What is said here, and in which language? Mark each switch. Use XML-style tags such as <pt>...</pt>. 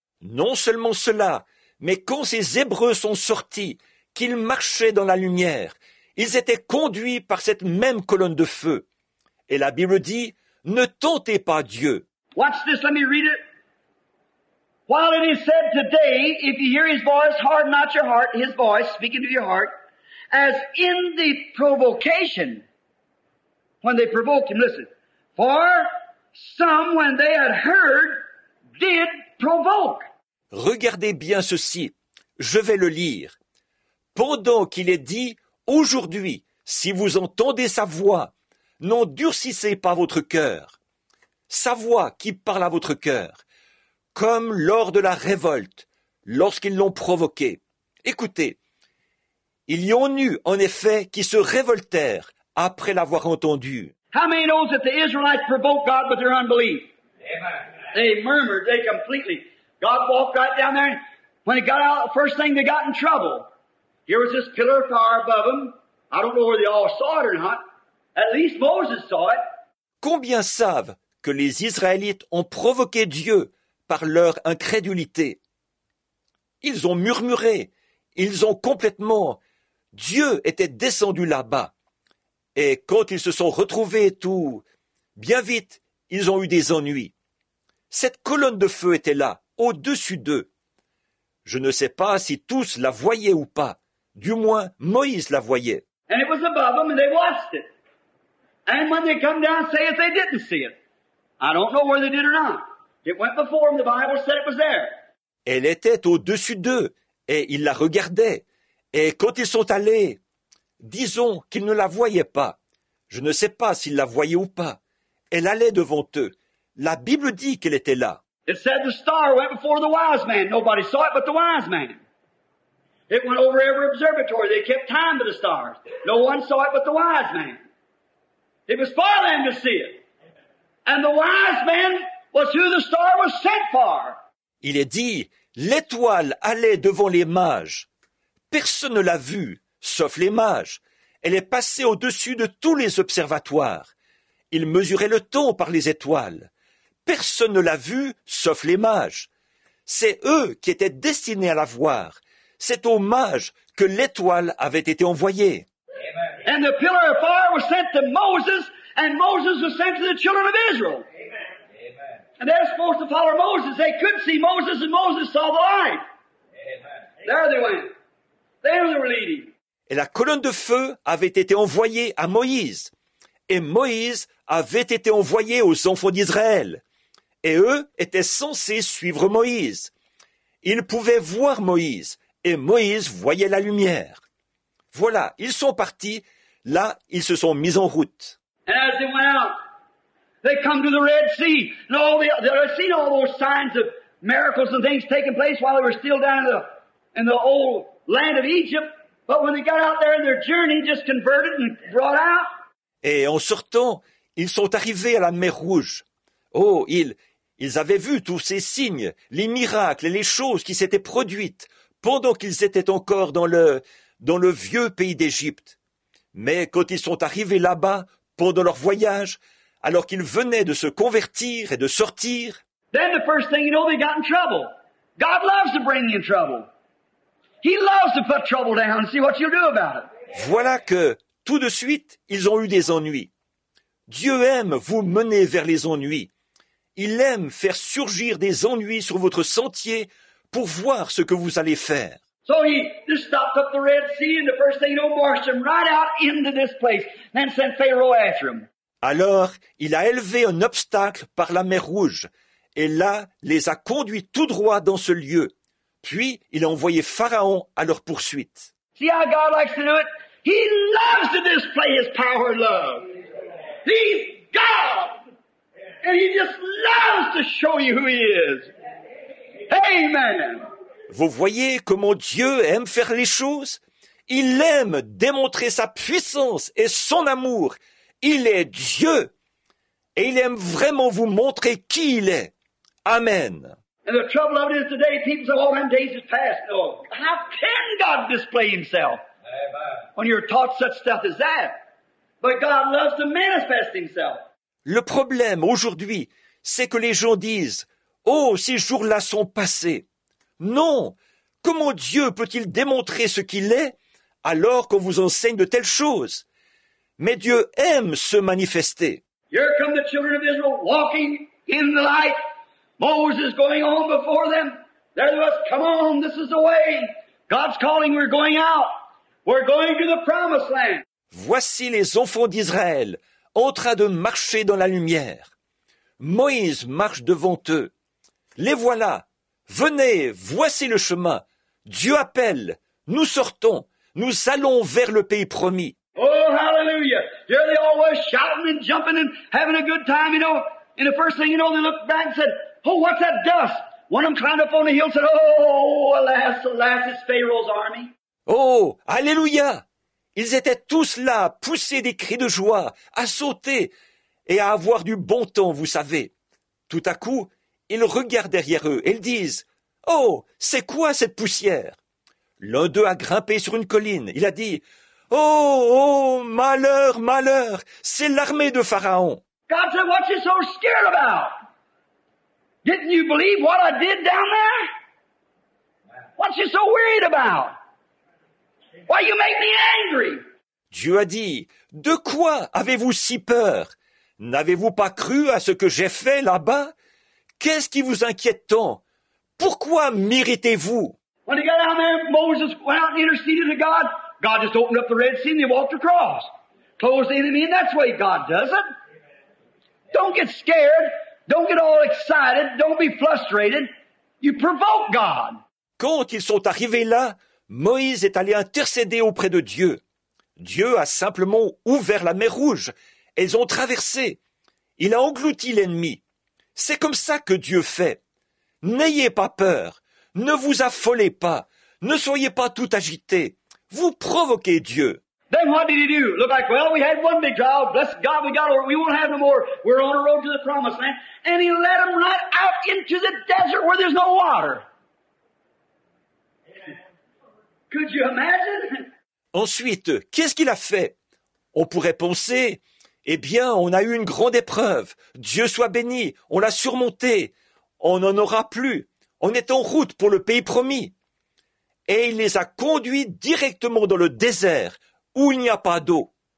<fr>Non seulement cela, mais quand ces Hébreux sont sortis, qu'ils marchaient dans la lumière, ils étaient conduits par cette même colonne de feu. Et la Bible dit, ne tentez pas Dieu.</fr> <en>Watch this, let me read it. While it is said today, if you hear his voice, harden not your heart, his voice speaking to your heart, as in the provocation, when they provoked him, listen, for some, when they had heard, did provoke.</en> <fr>Regardez bien ceci, je vais le lire. Pendant qu'il est dit, aujourd'hui, si vous entendez sa voix, n'endurcissez pas votre cœur. Sa voix qui parle à votre cœur, comme lors de la révolte, lorsqu'ils l'ont provoqué. Écoutez, il y en eut en effet qui se révoltèrent après l'avoir entendu.</fr> <en>How many knows that the Israelites provoked God with their unbelief? Amen. They murmured, they completely. God walked right down there, and when it got out, the first thing they got in trouble. Here was this pillar of fire above them. I don't know whether they all saw it or not. At least Moses saw it.</en> <fr>Combien savent que les Israélites ont provoqué Dieu par leur incrédulité? Ils ont murmuré. Ils ont complètement... Dieu était descendu là-bas. Et quand ils se sont retrouvés et tout, bien vite, ils ont eu des ennuis. Cette colonne de feu était là, au-dessus d'eux. Je ne sais pas si tous la voyaient ou pas. Du moins, Moïse la voyait.</fr> <en>And it was above them and they watched it. And when they come down, say if they didn't see it. I don't know where they did or not. It went before them, the Bible said it was there.</en> <fr>Elle était au-dessus d'eux et ils la regardaient. Et quand ils sont allés... Disons qu'ils ne la voyaient pas. Je ne sais pas s'ils la voyaient ou pas. Elle allait devant eux. La Bible dit qu'elle était là.</fr> <en>It said the star went before the wise man. Nobody saw it but the wise man. It went over every observatory. They kept time to the stars. No one saw it but the wise man. It was for them to see it. And the wise man was who the star was sent for.</en> <fr>Il est dit, l'étoile allait devant les mages. Personne ne l'a vue. Sauf les mages. Elle est passée au-dessus de tous les observatoires. Ils mesuraient le temps par les étoiles. Personne ne l'a vue, sauf les mages. C'est eux qui étaient destinés à la voir. C'est aux mages que l'étoile avait été envoyée.</fr> <en>And the pillar of fire was sent to Moses, and Moses was sent to the children of Israel. And they're supposed to follow Moses. They couldn't see Moses, and Moses saw the light. There they went. There they were leading.</en> <fr>Et la colonne de feu avait été envoyée à Moïse. Et Moïse avait été envoyé aux enfants d'Israël. Et eux étaient censés suivre Moïse. Ils pouvaient voir Moïse. Et Moïse voyait la lumière. Voilà, ils sont partis. Là, ils se sont mis en route.</fr> <en>And as they went out, they come to the Red Sea. And all the, they seen all those signs of miracles and things taking place while they were still down in the old land of Egypt, but when they got out there in their journey, just converted and brought out.</en> <fr>Et en sortant, ils sont arrivés à la mer Rouge. Oh, ils avaient vu tous ces signes, les miracles et les choses qui s'étaient produites pendant qu'ils étaient encore dans le vieux pays d'Égypte. Mais quand ils sont arrivés là-bas pendant leur voyage, alors qu'ils venaient de se convertir et de sortir,</fr> <en>then the first thing you know, they got in trouble. God loves to bring you in trouble. He loves to put trouble down and see what you'll do about it.</en> <fr>Voilà que tout de suite, ils ont eu des ennuis. Dieu aime vous mener vers les ennuis. Il aime faire surgir des ennuis sur votre sentier pour voir ce que vous allez faire.</fr> <en>So he just stopped up the Red Sea and the first thing you know, marched him right out into this place and sent Pharaoh after him.</en> <fr>Alors, il a élevé un obstacle par la mer Rouge et là, les a conduits tout droit dans ce lieu. Puis, il a envoyé Pharaon à leur poursuite.</fr> <en>See how God likes to do it? He loves to display his power and love. He's God. And he just loves to show you who he is. Amen.</en> <fr>Vous voyez comment Dieu aime faire les choses? Il aime démontrer sa puissance et son amour. Il est Dieu. Et il aime vraiment vous montrer qui il est. Amen.</fr> <en>And the trouble of it is today, people say, oh, them days is past. No. How can God display himself? Amen. When you're taught such stuff as that. But God loves to manifest himself.</en> <fr>Le problème aujourd'hui, c'est que les gens disent, oh, ces jours-là sont passés. Non, comment Dieu peut-il démontrer ce qu'il est alors qu'on vous enseigne de telles choses? Mais Dieu aime se manifester.</fr> <en>Here come the children of Israel walking in the light. Moses going on before them. There they was, come on, this is the way. God's calling, we're going out. We're going to the promised land.</en> <fr>Voici les enfants d'Israël en train de marcher dans la lumière. Moïse marche devant eux. Les voilà. Venez, voici le chemin. Dieu appelle. Nous sortons. Nous allons vers le pays promis.</fr> <en>Oh, hallelujah. There they all were shouting and jumping and having a good time, you know. And the first thing you know, they looked back and said, oh, what's that dust? One of them climbed up on the hill and said, oh, alas, alas, it's Pharaoh's army. Oh, hallelujah.</en> <fr>Ils étaient tous là, poussés des cris de joie, à sauter et à avoir du bon temps, vous savez. Tout à coup, ils regardent derrière eux et ils disent, « Oh, c'est quoi cette poussière ?» L'un d'eux a grimpé sur une colline. Il a dit, « Oh, oh, malheur, malheur, c'est l'armée de Pharaon. »</fr> <en>God said, « What you so scared about? Didn't you believe what I did down there? What you so worried about? Why you make me angry? »</en> <fr>Dieu a dit, « De quoi avez-vous si peur? N'avez-vous pas cru à ce que j'ai fait là-bas? Qu'est-ce qui vous inquiète tant? Pourquoi m'irritez-vous? »</fr> <en>When they got out there, Moses went out and interceded to God. God just opened up the Red Sea and they walked across. Closed the enemy, and that's the way God does it. Don't get scared. Don't get all excited. Don't be frustrated. You provoke God.</en> <fr>Quand ils sont arrivés là, Moïse est allé intercéder auprès de Dieu. Dieu a simplement ouvert la mer Rouge. Ils ont traversé. Il a englouti l'ennemi. C'est comme ça que Dieu fait. N'ayez pas peur. Ne vous affolez pas. Ne soyez pas tout agités. Vous provoquez Dieu.</fr> <en>Then what did he do? Look like, well, we had one big trial. Bless God, we got over. We won't have no more. We're on a road to the promised land. And he led them right out into the desert where there's no water. Could you imagine?</en> <fr>Ensuite, qu'est-ce qu'il a fait? On pourrait penser, eh bien, on a eu une grande épreuve. Dieu soit béni. On l'a surmonté. On n'en aura plus. On est en route pour le pays promis. Et il les a conduits directement dans le désert où il n'y a pas d'eau.</fr>